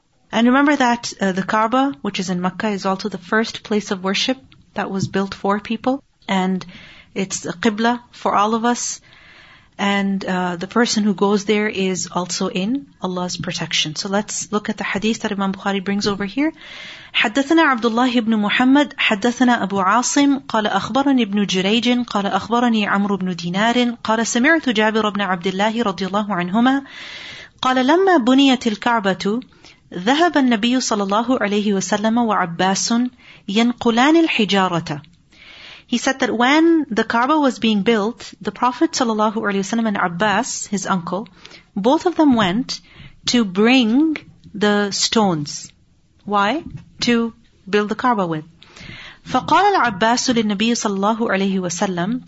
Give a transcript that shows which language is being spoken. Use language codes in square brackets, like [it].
[en] And remember that the Kaaba, which is in Makkah, is also the first place of worship that was built for people. And it's a qibla for all of us. And the person who goes there is also in Allah's protection. So let's look at the hadith that Imam Bukhari brings over here. [ar] حدثنا عبد الله بن محمد حدثنا أبو عاصم قال أخبرني ابن جريج قال أخبرني عمرو بن دينار قال سمعت جابر بن عبد الله رضي الله عنهما قال لما بنيت الكعبة ذهب النبي صلى الله عليه وسلم وعباس ينقلان الحجارة. [en] He said that when the Kaaba was being built, the Prophet sallallahu alaihi wasallam and Abbas, his uncle, both of them went to bring the stones. Why? To build the Kaaba with. [ar] فَقَالَ الْعَبَّاسُ لِلنَّبِيِّ صَلَى اللَّهُ عَلَيْهِ وَسَلَّمْ.